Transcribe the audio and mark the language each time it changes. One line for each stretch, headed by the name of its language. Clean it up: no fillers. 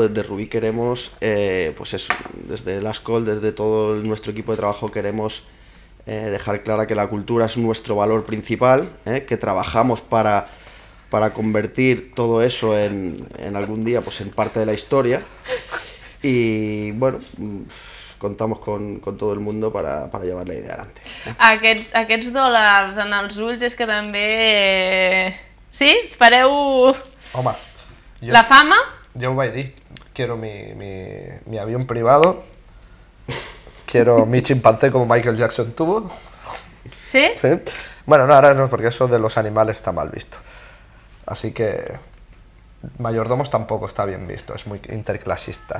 Spanish: Desde Rubí queremos, pues eso, desde Lascol, desde todo nuestro equipo de trabajo, queremos dejar clara que la cultura es nuestro valor principal, que trabajamos para convertir todo eso en algún día, pues en parte de la historia, y bueno, contamos con todo el mundo para llevar la idea adelante.
Catalan: Aquests dòlars en els ulls és que també... Sí? Espereu... Home, jo... La fama?
Spanish: Yo voy a decir, quiero mi avión privado, quiero mi chimpancé como Michael Jackson tuvo. ¿Sí? Sí. Bueno, no, ahora no, porque eso de los animales está mal visto. Así que mayordomos tampoco está bien visto, es muy interclasista.